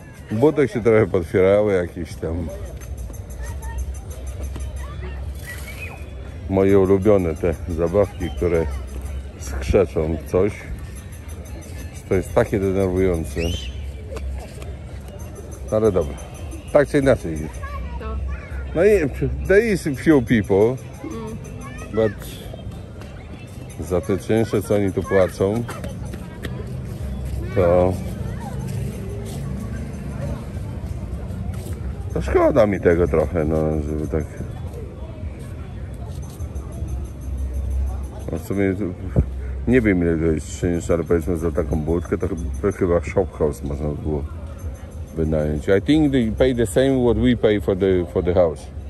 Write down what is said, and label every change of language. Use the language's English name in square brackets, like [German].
[Polish] Budek się trochę potwierały jakieś tam. Moje ulubione te zabawki, które skrzeczą coś. To jest takie denerwujące. Ale dobra. Tak czy inaczej. No i [English] there is a few people. [Polish] But za te czynsze, co oni tu płacą, to... To szkoda mi tego trochę, no, żeby tak... No w sumie nie wiem ile to jest czynsz, ale powiedzmy za taką budkę, to chyba shophouse można było wynająć. [English] I think they pay the same what we pay for the house.